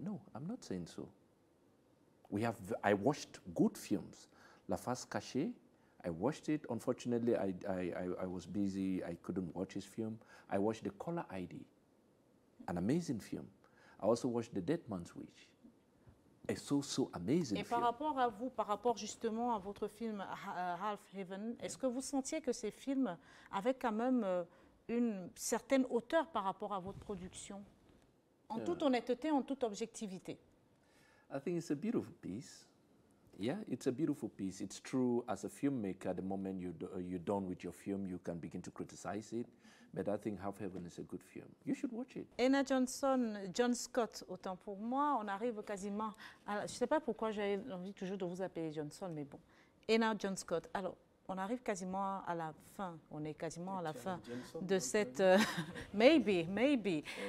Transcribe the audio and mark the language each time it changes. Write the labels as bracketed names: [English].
[English] No, I'm not saying so. I watched good films. La Face Cachée, I watched it. Unfortunately, I was busy. I couldn't watch his film. I watched The Color ID, an amazing film. I also watched The Dead Man's Wish, a so amazing film. [French] Et par rapport à vous, par rapport justement à votre film Half Heaven, est-ce que vous sentiez que ces films avaient quand même une certaine hauteur par rapport à votre production, en toute honnêteté, en toute objectivité? [English] I think it's a beautiful piece. Yeah, it's a beautiful piece. It's true, as a filmmaker, the moment you're done with your film, you can begin to criticize it. But I think Half Heaven is a good film. You should watch it. [French] Anna Johnson, John Scott, autant pour moi, on arrive quasiment... Je ne sais pas pourquoi j'ai envie toujours de vous appeler Johnson, mais bon. Anna John Scott, alors, on arrive quasiment à la fin. On est quasiment à la fin de cette... Maybe.